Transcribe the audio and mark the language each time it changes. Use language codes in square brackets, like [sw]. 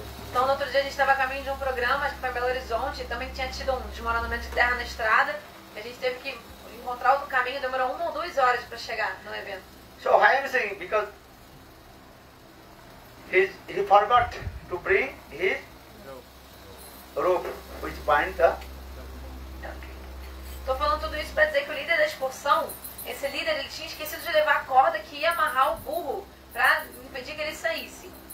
[pt] Então, no outro dia, a gente estava a caminho de um programa, acho que foi em Belo Horizonte, e também tinha tido um desmoronamento de terra na estrada, e a gente teve que encontrar outro caminho, demorou 1 ou 2 horas para chegar no evento. [en] So, why am I saying? Because he forgot to bring his rope, which binds the... [pt] Estou falando tudo isso para dizer que o líder da excursão, esse líder, ele tinha esquecido de levar a corda que ia amarrar o burro para impedir que ele saísse.